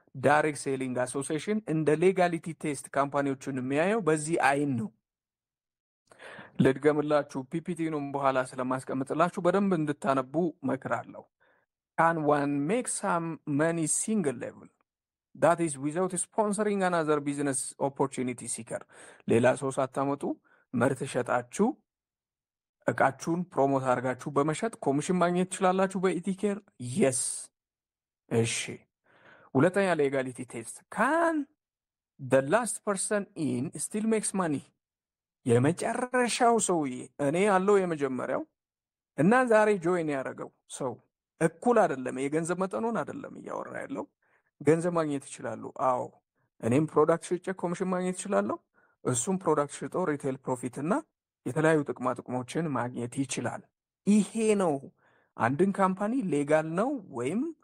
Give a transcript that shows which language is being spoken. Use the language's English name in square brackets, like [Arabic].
[Amharic] ዳይሬክት ሴሊንግ አሶሲሽን እንደ ሌጋሊቲ ቴስት ካምፓኒዎቹን የሚያየው በዚህ አይን ነው። ለድገምላችሁ ፒፒቲውን በኋላ ስለማስቀምጥላችሁ በደንብ እንድታነቡ መክራለሁ። [English] Can one make some money single level? That is without sponsoring another business opportunity seeker. [Amharic] ሌላ ሰው ሳታመጡ ምርት ሸጣችሁ እቃችሁን ፕሮሞት አድርጋችሁ በመሸጥ ኮሚሽን ማግኘት ይችላልላችሁ በኢቲኬር? [English] Yes. [Amharic] እሺ. ሁለተኛ ሌጋሊቲ ቴስት [English] Can the last person in still makes money? [Amharic] የመጨረሻው ሰውዬ እኔ አለው የመጀመሪያው እና ዛሬ ጆይን ያደረገው ሰው እኩል አይደለም የገንዘብ መጠኑን አይደለም ይያወራ ያለው ገንዘብ ማግኘት ይችላል አዎ እኔም ፕሮዳክት ሽጬ ኮሚሽን ማግኘት ይችላል እሱም ፕሮዳክት ሽጦ ሪቴል ፕሮፊት እና የተለያዩ ጥቅማ ጥቅሞችን ማግኘት ይችላል ይሄ ነው አንድን ካምፓኒ ሌጋል ነው ወይም